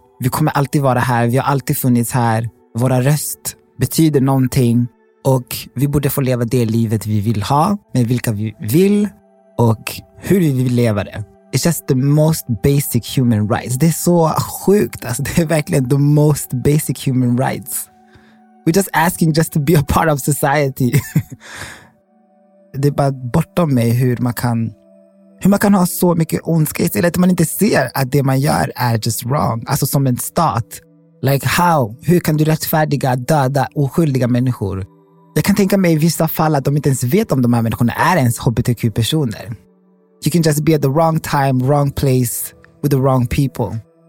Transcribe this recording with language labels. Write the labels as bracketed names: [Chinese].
[Swedish] Vi kommer alltid vara här, vi har alltid funnits här. Våra röst betyder någonting och vi borde få leva det livet vi vill ha, med vilka vi vill och hur vi vill leva det. [English] It's just the most basic human rights. [Swedish] Det är så sjukt, alltså, det är verkligen [English] the most basic human rights. We're just asking just to be a part of society. [Swedish] Det är bara bortom mig hur man kan ha så mycket ondska, eller att man inte ser att det man gör är [English] just wrong. [Swedish] Alltså som en stat. [English] Like how? [Swedish] Hur kan du rättfärdiga döda oskyldiga människor? Jag kan tänka mig i vissa fall att de inte ens vet om de här människorna är ens hbtq-personer. [English] You can just be at the wrong time, wrong place, with the wrong people.